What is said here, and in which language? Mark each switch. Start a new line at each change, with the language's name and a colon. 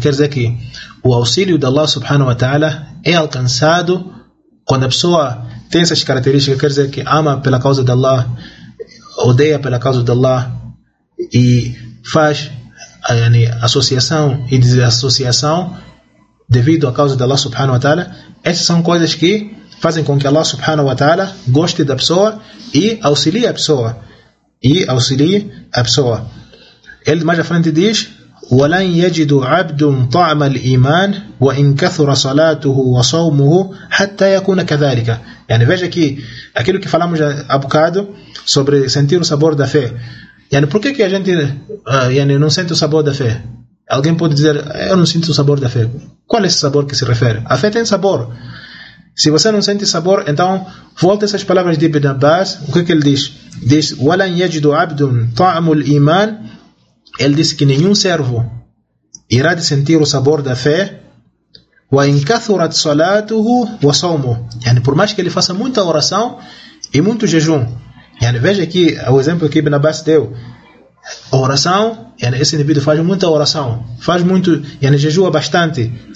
Portuguese: Quer dizer que o auxílio de Allah subhanahu wa ta'ala é alcançado quando a pessoa tem essas características, quer dizer que ama pela causa de Allah, odeia pela causa de Allah e faz yani, associação e desassociação devido à causa de Allah subhanahu wa ta'ala. Essas são coisas que fazem com que Allah subhanahu wa ta'ala goste da pessoa e auxilie a pessoa. Ele mais à frente diz:
Arabic: وَلَنْ يَجِدُ عَبْدٌ طَعْمَ الْإِيمَانِ وَإِنْ كَثُرَ صَلَاتُهُ وَصَوْمُهُ حَتَّى يَكُونَ كَذَلِكَ.
Portuguese: Yani, veja que aquilo que falamos há bocado sobre sentir o sabor da fé. Yani, por que a gente yani, não sente o sabor da fé? Alguém pode dizer, eu não sinto o sabor da fé. Qual é esse sabor que se refere? A fé tem sabor. Se você não sente sabor, então volta essas palavras de Ibn Abbas. O que ele diz? Diz,
Arabic: وَلَنْ يَجِدُ عَبْدٌ طَعْمُ الْإِيمَانِ.
Portuguese: Ele disse que nenhum servo irá de sentir o sabor da fé,
Arabic: وَإِنْ كَثُرَتْ صَلَاتُهُ وَصَوْمُهُ.
Portuguese: Yani, por mais que ele faça muita oração e muito jejum. Yani, veja aqui o exemplo que Ibn Abbas deu. A oração, yani, esse indivíduo faz muita oração, faz muito, yani, jejua bastante.